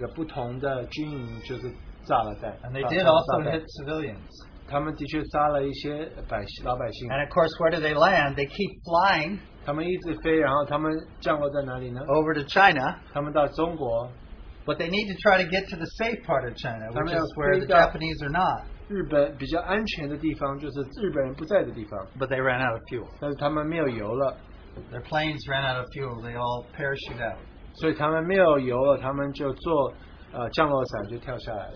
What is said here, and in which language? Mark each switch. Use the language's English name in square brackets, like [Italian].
[Chinese] 所以在东京附近的这个不同的军营就是炸了弹. [English] And they did also hit civilians. [Chinese] 他们的确杀了一些老百姓. [English] And of course, where do they land? They keep flying. [Chinese] 他们一直飞, 然后他们降落在哪里呢? [English] Over to China. [Chinese] 他们到中国. [English] But they need to try to get to the safe part of China, which is where the Japanese are not. [Chinese] 日本比较安全的地方就是日本人不在的地方. [English] But they ran out of fuel. [Chinese] 但是他们没有油了. [English] Their planes ran out of fuel. They all parachute out. [Chinese] 所以他们没有油了，他们就坐降落伞就跳下来了.